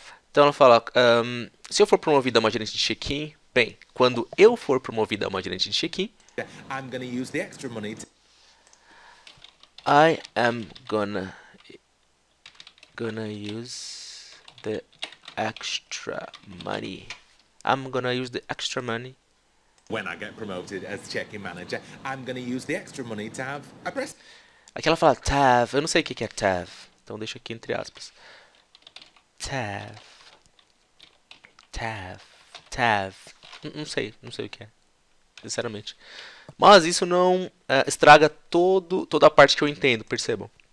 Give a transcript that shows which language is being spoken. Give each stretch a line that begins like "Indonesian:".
Portuguese: Então ela fala, se eu for promovida a uma gerente de check-in, bem, quando eu for promovida a uma gerente de check-in,
English: I'm gonna use the extra money to I am gonna use the extra money. I'm gonna use the extra money. When I get promoted as check-in manager, I'm going to use the extra money to have a press.
Portuguese: Aqui ela fala tav, eu não sei o que é tav, então deixa aqui entre aspas. Tav. Tav, não sei, não sei o que é, sinceramente. Mas isso não estraga toda a parte que eu entendo, percebam.